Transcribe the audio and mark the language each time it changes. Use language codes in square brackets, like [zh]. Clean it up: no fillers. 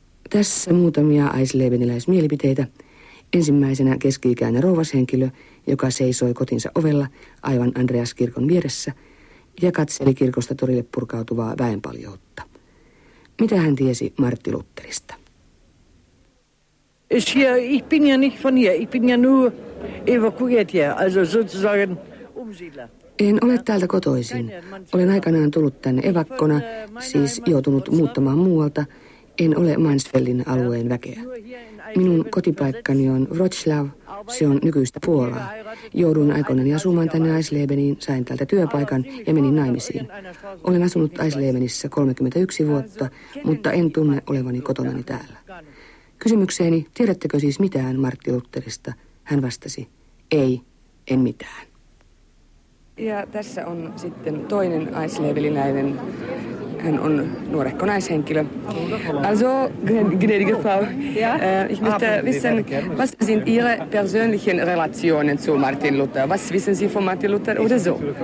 [fi] Tässä muutamia eisleveniläismielipiteitä. Ensimmäisenä keski-ikäinen rouvashenkilö, joka seisoi kotinsa ovella aivan Andreaskirkon vieressä ja katseli kirkosta torille purkautuvaa väenpaljoutta. Mitä hän tiesi Martti Lutherista? [de] Es hier, ich bin ja nicht von hier, ich bin ja nur evakuiert hier, also sozusagen umsiedler. [fi] En ole täältä kotoisin. Olen aikanaan tullut tänne evakkona, siis joutunut muuttamaan muualta. En ole Mansfeldin alueen väkeä. Minun kotipaikkani on Wrocław, se on nykyistä Puolaa. Jouduin aikoinani asumaan tänne Eislebeniin, sain täältä työpaikan ja menin naimisiin. Olen asunut Eislebenissä 31 vuotta, mutta en tunne olevani kotonani täällä. Kysymykseeni, tiedättekö siis mitään Martti Lutherista? Hän vastasi, ei, en mitään. Ja tässä on sitten toinen eislebeniläinen. Hän on nuorehko naishenkilö. [de] Also, gnädige Frau, ich möchte wissen, was sind Ihre persönlichen Relationen zu Martin Luther? Was wissen Sie von Martin Luther oder so?